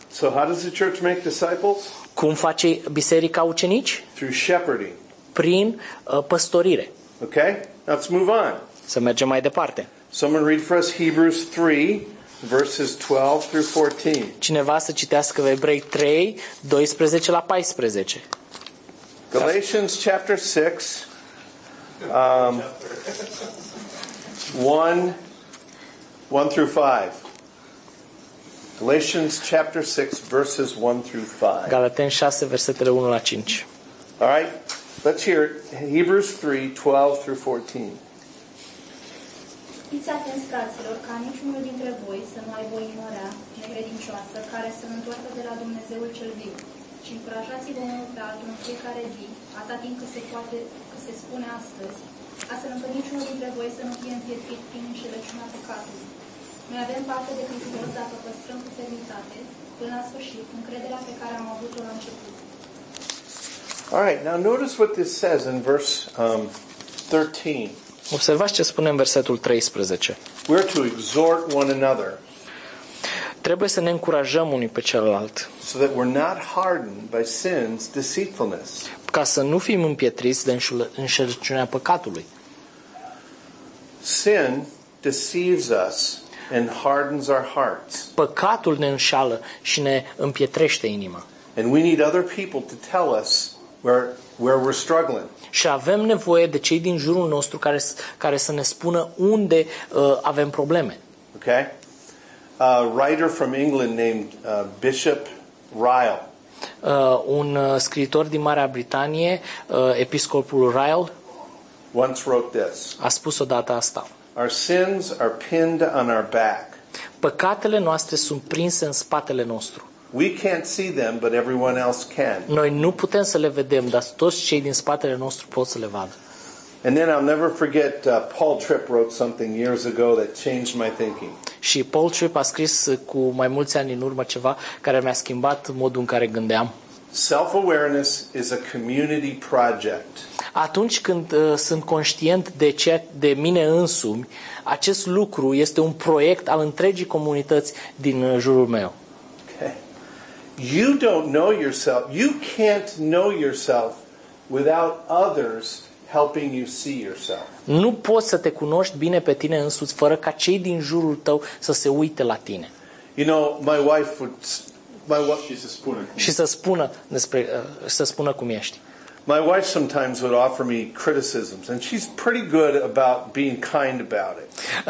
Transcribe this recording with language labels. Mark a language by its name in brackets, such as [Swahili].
[English] So how does the church make disciples? [Romanian] Cum face biserica ucenici? [English] Through shepherding. [Romanian] Prin păstorire. [English] Okay? Now let's move on. [Romanian] Să mergem mai departe. [English] Someone read for us Hebrews 3, verses 12 through 14. [Romanian] Cineva să citească Evrei 3, 12 la 14. [English] Galatians chapter 6, 1 through 5. Galatians chapter 6, verses 1 through 5. [Romanian] Galateni 6, versetele 1 la 5. [English] All right, let's hear Hebrews 3, 12 through 14. [Romanian] Fiți atenți, fraților, ca niciunul dintre voi să nu aibă o inimă necredincioasă care să nu întoarcă de la Dumnezeul cel viu, ci încurajați-vă unul pe altul în fiecare zi, atât timp cât se poate, cât se spune astăzi, astfel încât niciunul dintre voi să nu fie înfietrit prin înșelăciunea păcatului. Noi avem parte de Hristos dacă păstrăm cu fermitate, până la sfârșit, încrederea pe care am avut-o la început. [English] All right, now notice what this says in verse 13. [Romanian] Observați ce spune în versetul 13. [English] We're to exhort one another. [Romanian] Trebuie să ne încurajăm unii pe celălalt. [English] So that we're not hardened by sin's deceitfulness. [Romanian] Ca să nu fim împietriți de înșelăciunea păcatului. [English] Sin deceives us and hardens our hearts. [Romanian] Păcatul ne înșală și ne împietrește inima. [English] And we need other people to tell us where we're struggling. [Romanian] Și avem nevoie de cei din jurul nostru care să ne spună unde avem probleme. [English] Okay. A writer from England named Bishop Ryle. [Romanian] Un scriitor din Marea Britanie, episcopul Ryle, [English] once wrote this. [Romanian] A spus odată asta. [English] Our sins are pinned on our back. [Romanian] Păcatele noastre sunt prinse în spatele nostru. [English] We can't see them, but everyone else can. [Romanian] Noi nu putem să le vedem, dar toți cei din spatele nostru pot să le vadă. [English] And then I'll never forget Paul Tripp wrote something years ago that changed my thinking. [Romanian] Și Paul Tripp a scris cu mai mulți ani în urmă ceva care mi-a schimbat modul în care gândeam. [English] Self-awareness is a community project. [Romanian] Atunci când sunt conștient de mine însumi, acest lucru este un proiect al întregii comunități din jurul meu. [English] You don't know yourself. You can't know yourself without others helping you see yourself. [Romanian] Nu poți să te cunoști bine pe tine însuți fără ca cei din jurul tău să se uite la tine. [English] You know, my wife [Romanian] să spună. Și să spună despre să spună cum ești. [English] My wife sometimes would offer me criticisms and she's pretty good about being kind about it.